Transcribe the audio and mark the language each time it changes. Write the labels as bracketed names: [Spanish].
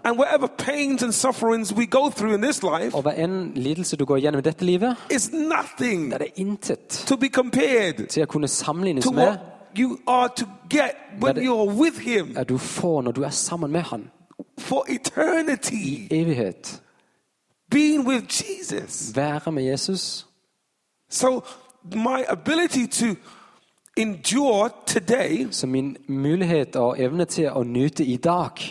[English] And whatever pains and sufferings we go through in this life, [Norwegian] og hva enn lidelse du går gjennom I dette livet, [English] is nothing. [Norwegian] Det intet. [English] To be compared [Norwegian] til å kunne sammenlignes [English] to [Norwegian] med, [English] what you are to get when you are with Him. [Norwegian] Er du får når du sammen med han. [English] For eternity. [Norwegian] I evighet. [English] Being with Jesus. [Norwegian] Være med Jesus. [English] So my ability to endure today, [Norwegian] så min mulighet og evne til å nyte I dag,